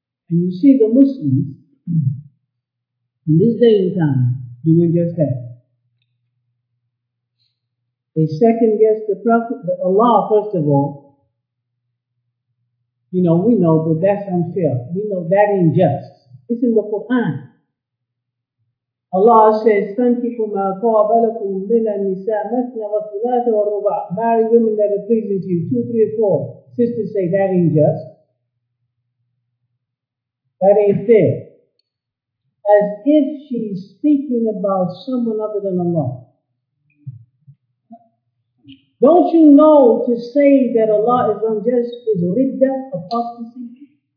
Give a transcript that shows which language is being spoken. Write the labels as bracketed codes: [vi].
[en] And you see the Muslims in this day and time doing just that. They second guess the Prophet, Allah first of all. You know, we know, but that's unfair. We know that ain't just. It's in the Quran. Allah says, [ar] فَانْكِحُ مَا طَابَ لَكُمْ مِنَ النِّسَاءِ مَثْنَ وَثُلَاثَ وَرُبَعَ. [en] Marry women that are pleasing to you. 2, 3, 4. Sisters say, that ain't just. That ain't fair. As if she's speaking about someone other than Allah. Don't you know to say that Allah is unjust is riddah, apostasy?